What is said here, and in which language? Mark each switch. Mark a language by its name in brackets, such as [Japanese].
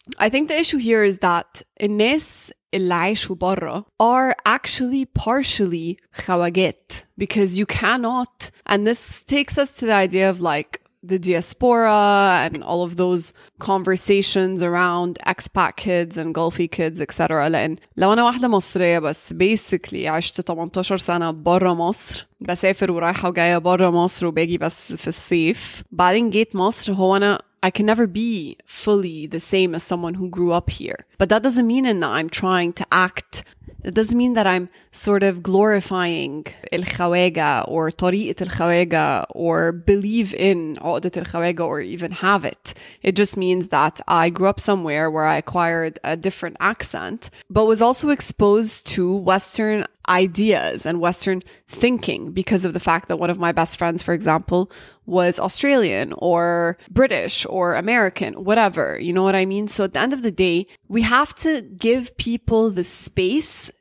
[English] I think the issue here is that [Arabic] الناس اللي عايشوا برا [English] are actually partially خواجات, because you cannot, and this takes us to the idea of like the diaspora and all of those conversations around expat kids and Gulfy kids, etc. [Arabic] لأن لو أنا واحدة مصرية بس basically عشت 18 سنة برا مصر بسافر ورايحة وجاية برا مصر وباجي بس في الصيف بعدين جيت مصر هو أنا [English] I can never be fully the same as someone who grew up here. But that doesn't mean that I'm trying to act. It doesn't mean that I'm sort of glorifying الخواجة or [Arabic] طريقة الخواجة [English] or believe in 3o2det al-Khawaga or even have it. It just means that I grew up somewhere where I acquired a different accent, but was also exposed to Western ideas and Western thinking because of the fact that one of my best friends, for example, was Australian or British or American, whatever. You know what I mean? So at the end of the day, we have to give people the space